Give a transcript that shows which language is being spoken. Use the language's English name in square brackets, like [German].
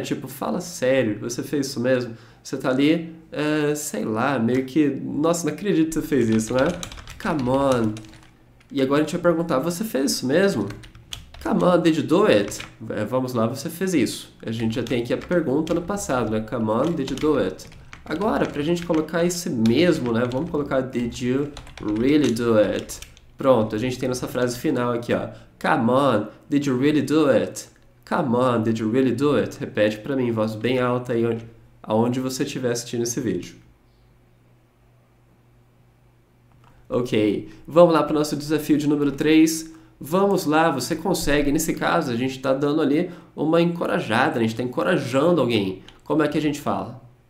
[Portuguese] Tipo, fala sério, você fez isso mesmo? Você tá ali, sei lá, meio que. Nossa, não acredito que você fez isso, né? [English] Come on. [Portuguese] E agora a gente vai perguntar: você fez isso mesmo? [English] Come on, did you do it? [Portuguese] Vamos lá, você fez isso. A gente já tem aqui a pergunta no passado, né? [English] Come on, did you do it? [Portuguese] Agora, pra gente colocar esse mesmo, né? Vamos colocar: [English] did you really do it? [Portuguese] Pronto, a gente tem nossa frase final aqui, ó. [English] Come on, did you really do it? Come on, did you really do it? [Portuguese] Repete pra mim, voz bem alta aí onde. Aonde você estiver assistindo esse vídeo. Ok, vamos lá para o nosso desafio de número 3. Vamos lá, você consegue. Nesse caso, a gente está dando ali uma encorajada, a gente está encorajando alguém. Como é que a gente fala?